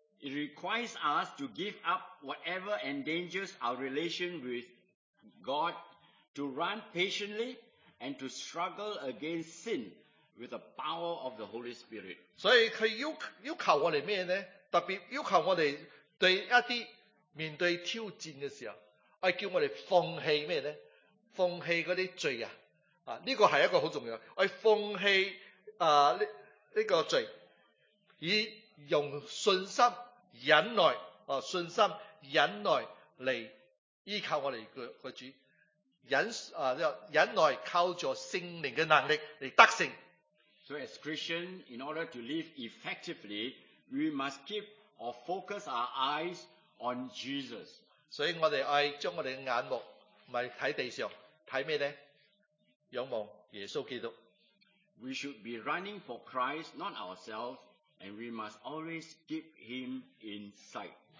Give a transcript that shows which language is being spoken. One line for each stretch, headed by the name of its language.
English: It requires us to give up whatever endangers our relation with God, to run patiently, and to struggle against sin with the power of the Holy Spirit.
Chinese: 所以他要求我们什么呢？特别要求我们对一些面对挑战的时候，要叫我们放弃什么呢？放弃那些罪啊！这个是一个很重要的，要放弃这个罪，以用信心忍耐信心忍耐来依靠我们的主，忍耐靠着圣灵的能力来得胜。
English: So as Christian, in order to live effectively, we must keep or focus our eyes on Jesus.
Chinese: 所以我们要将我们的眼目不是看地上，看什么呢？仰望耶稣基督。
English: We should be running for Christ, not ourselves. And we must always keep him in sight.